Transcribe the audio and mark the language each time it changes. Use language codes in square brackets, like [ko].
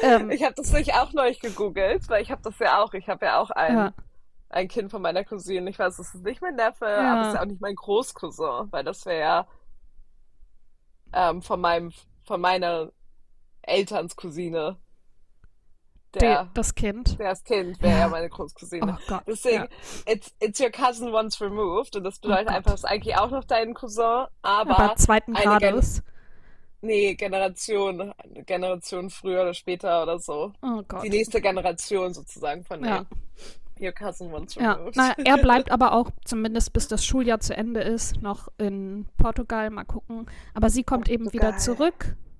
[de] Ich habe das nicht auch neu gegoogelt, weil ich habe das ja auch. Ich habe ja auch ein Kind von meiner Cousine. Ich weiß, es ist nicht mein Neffe, aber es ist ja auch nicht mein Großcousin, weil das wäre ja von meiner Elternscousine. Das Kind wäre ja meine Großcousine. Oh Gott. Deswegen, [en] it's your cousin once removed. [de] Und das bedeutet einfach, es ist eigentlich auch noch dein Cousin, aber zweiten Grades. Generation früher oder später oder so. Oh Gott. Die nächste Generation sozusagen von [en] your cousin once removed. [de] Ja. Na, er bleibt aber auch, zumindest bis das Schuljahr zu Ende ist, noch in Portugal. Mal gucken. Aber sie kommt eben wieder zurück.